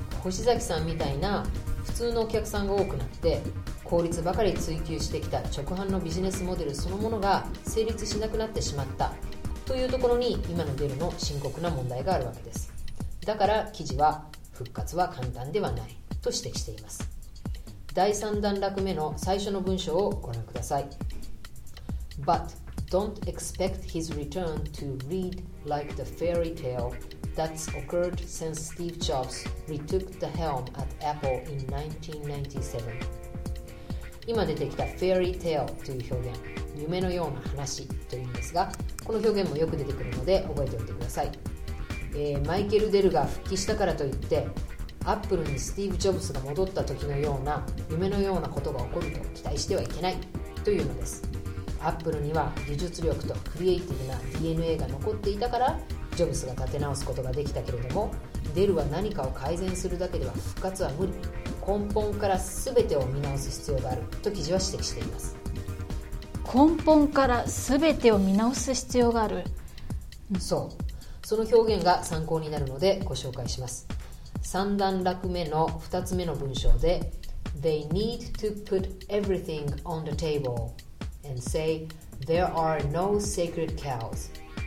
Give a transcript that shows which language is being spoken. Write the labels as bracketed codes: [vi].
[ja] 星崎さんみたいな普通のお客さんが多くなって、効率ばかり追求してきた直販のビジネスモデルそのものが成立しなくなってしまったというところに、今のベルの深刻な問題があるわけです。だから記事は復活は簡単ではないと指摘しています。第3段落目の最初の文章をご覧ください。 [en] But don't expect his return to read like the fairy tale that's occurred since Steve Jobs retook the helm at Apple in 1997. [ja] 今出てきた fairy tale という表現、夢のような話という意味ですが、この表現もよく出てくるので覚えておいてください。マイケル・デルが復帰したからといってアップルにスティーブ・ジョブズが戻った時のような夢のようなことが起こると期待してはいけないというのです。アップルには技術力とクリエイティブな DNA が残っていたからジョブズが立て直すことができたけれども、デルは何かを改善するだけでは復活は無理、根本から全てを見直す必要があると記事は指摘しています。根本から全てを見直す必要がある、そう、その表現が参考になるのでご紹介します。 3段落目の2つ目の文章で [en] They need to put everything on the table and say there are no sacred cows。